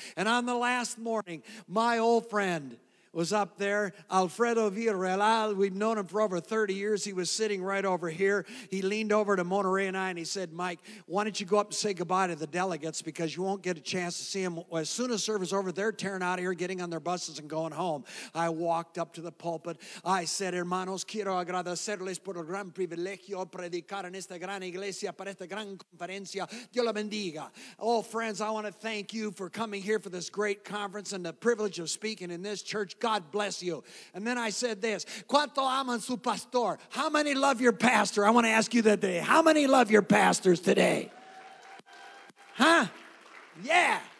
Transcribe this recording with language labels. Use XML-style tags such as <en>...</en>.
<en>And on the last morning, my old friend was up there, Alfredo Villarreal. We've known him for over 30 years. He was sitting right over here. He leaned over to Monterey and I, and he said, Mike, why don't you go up and say goodbye to the delegates, because you won't get a chance to see them. As soon as service is over, they're tearing out of here, getting on their buses and going home. I walked up to the pulpit.</en> <es>I said, hermanos, quiero agradecerles por el gran privilegio predicar en esta gran iglesia para esta gran conferencia. Dios la bendiga.</es> <en>Oh, friends, I want to thank you for coming here for this great conference and the privilege of speaking in this church. God bless you. And then I said this,</en> <es>¿cuánto aman su pastor?</es> <en>How many love your pastor? I want to ask you that today. How many love your pastors today? Huh? Yeah.</en>